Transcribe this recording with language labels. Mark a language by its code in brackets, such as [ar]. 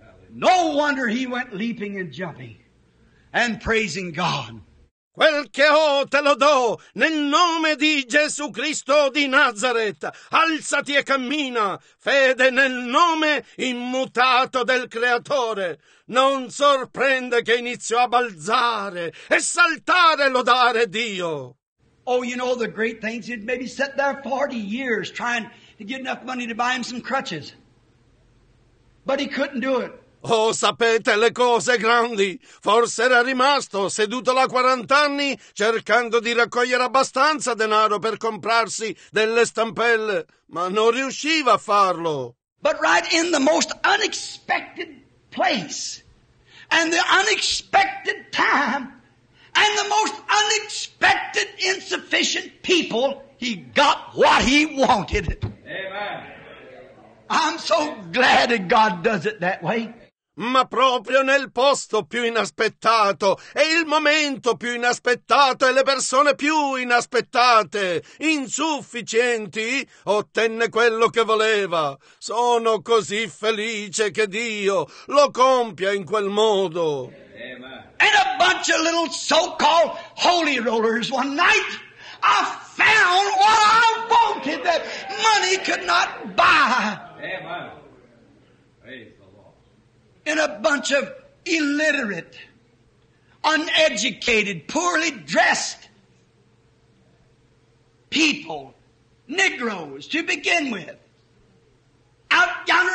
[en] No wonder he went leaping and jumping and praising God. [it] Quel che ho te lo do nel nome di Gesù Cristo di Nazareth. Alzati e cammina. Fede nel nome immutato del Creatore. Non sorprende che iniziò a balzare e saltare e lodare Dio. [en] Oh, you know the great things. He'd maybe sat there 40 years trying to get enough money to buy him some crutches. But he couldn't do it. [it] Oh, sapete le cose grandi. Forse era rimasto seduto là 40 anni cercando di raccogliere abbastanza denaro per comprarsi delle stampelle. Ma non riusciva a farlo. [en] But right in the most unexpected place and the unexpected time, and the most unexpected, insufficient people, he got what he wanted. Amen. I'm so glad that God does it that way. [it] Ma proprio nel posto più inaspettato, e il momento più inaspettato, e le persone più inaspettate, insufficienti, ottenne quello che voleva. Sono così felice che Dio lo compia in quel modo. [en] And a bunch of little so-called holy rollers one night, I found what I wanted that money could not buy. Amen. Praise the Lord. And a bunch of illiterate, uneducated, poorly dressed people, Negroes to begin with, out yonder